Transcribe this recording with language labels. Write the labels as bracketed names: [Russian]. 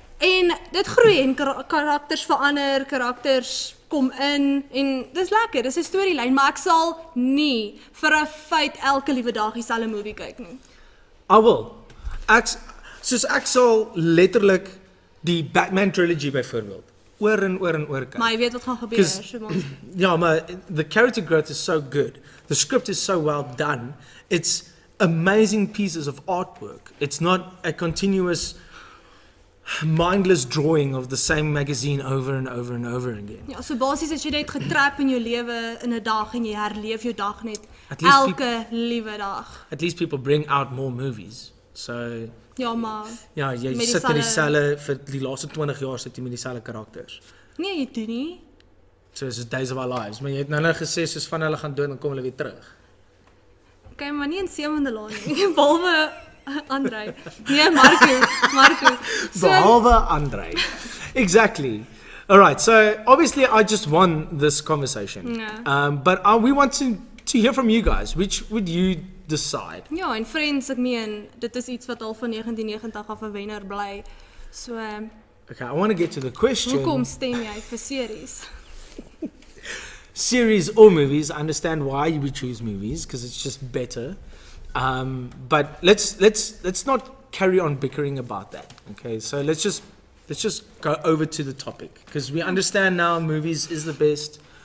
[Afrikaans] En dit groei en karakters verander, karakters kom in en dis lekker, dis 'n storielyn, maar ek sal nie vir 'n feit elke liewe dag dieselfde movie kyk nie. [English] I will. [Afrikaans] Ek sal letterlik die Batman trilogy byvoorbeeld oor en oor en oor kyk. Maar jy weet wat gaan gebeur, so ja, maar [English] the character growth is so good. The script is so well done. It's amazing pieces of artwork. It's not a continuous mindless drawing of the same magazine over and over and over again. [Afrikaans] Ja, so basies as jy net getrap in jou lewe in 'n dag en jy herleef jou dag net elke liewe dag. [English] At least people bring out more movies. So [Afrikaans] ja, maar ja, jy sit in dieselfde vir die laaste 20 jaar sit jy met dieselfde karakters. Nee, jy doen nie. [English] So is it [Afrikaans] Days of Our Lives, maar jy het nou gesê soos van hulle gaan dood en kom hulle weer terug. Okay, maar nie in Seemandelaan nie. Behalwe Andre. Nee, Marco. Behalwe [English] Andre. Exactly. All right. So, obviously I just won this conversation. Yeah. But we want to hear from you guys. Which would you decide? [Afrikaans] Ja, en Friends, ek meen, dit is iets wat al van 1990 af 'n wenner bly. So, [English] okay, I want to get to the question. [Afrikaans] Hoekom stem jy vir series? [English] Series or movies? I understand why you would choose movies because it's just better. But let's not carry on bickering about that. Okay, so let's just go over to the topic because we understand now movies is the best.